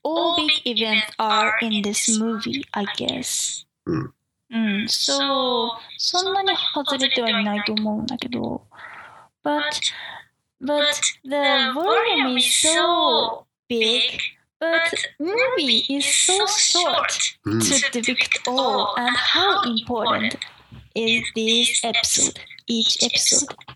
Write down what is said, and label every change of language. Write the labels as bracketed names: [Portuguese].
[English] All big events are in this movie, I guess. [Japanese] そんなに外れてはいないと思うんだけど。 [English] But the volume is so big, but movie is so short to depict all. And how important is this episode, each episode?